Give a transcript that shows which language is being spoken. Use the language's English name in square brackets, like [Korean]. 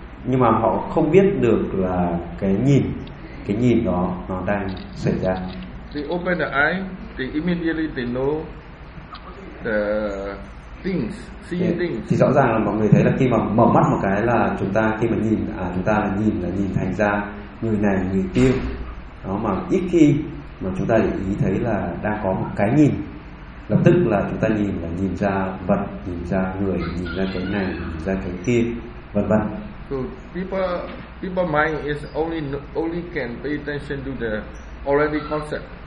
[Vietnamese] Nhưng mà họ không biết được là cái nhìn đó nó đang xảy ra. [English] They open the eye, they immediately they know the things, seeing things. [Vietnamese] Thì rõ ràng là mọi người thấy là khi mà mở mắt một cái là chúng ta khi mà nhìn chúng ta nhìn thành ra người này người kia đó, mà ít khi mà chúng ta để ý thấy là đang có một cái nhìn, lập tức là chúng ta nhìn ra vật, nhìn ra người, nhìn ra cái này, nhìn ra cái kia, vân vân. [English] So people mind is only can pay attention to the already concept.